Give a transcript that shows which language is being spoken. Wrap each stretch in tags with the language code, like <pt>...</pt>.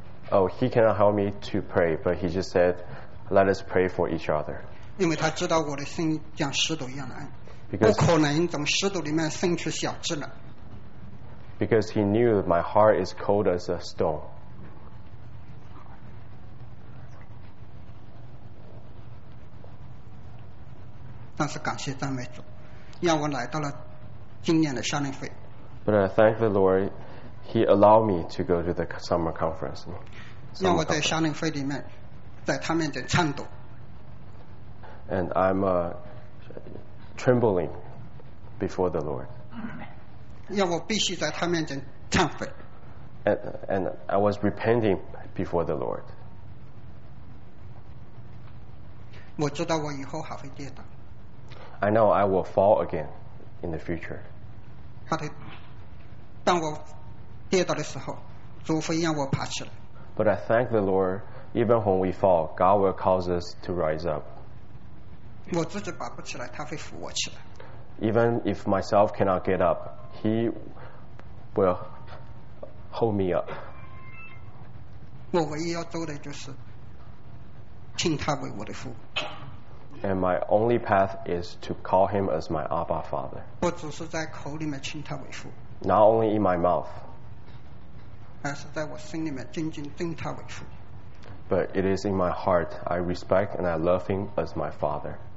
<en>Oh, he cannot help me to pray, but he just said, "Let us pray for each other."</en> <zh>因为他知道我的心像石头一样难，不可能从石头里面生出小枝来。</zh> <en>Because he knew my heart is cold as a stone.</en> <zh>但是感谢赞美主，让我来到了今年的夏令会。</zh> <en>But I thank the Lord, he allowed me to go to the summer conference.</en> <zh>让我在夏令会里面，在他面前颤抖。</zh> <en>And I'm trembling before the Lord.</en> <zh>让我必须在他面前忏悔。</zh> <en>And I was repenting before the Lord.</en> <zh>我知道我以后还会跌倒。</zh> <en>I know I will fall again in the future.</en> <zh>当我跌倒的时候，主会让我爬起来。</zh> <en>But I thank the Lord, even when we fall, God will cause us to rise up.</en> <zh>我自己拔不起来，他会扶我起来。</zh> <en>Even if myself cannot get up, he will hold me up.</en> <zh>我唯一要做的就是请他为我的父。</zh> <en>And my only path is to call him as my Abba Father.</en> <zh>我只是在口里面请他为父。</zh> <en>Not only in my mouth.</en> <zh>而是在我心里面真正敬他为父。</zh> <en>But it is in my heart, I respect and I love him as my Father.</en>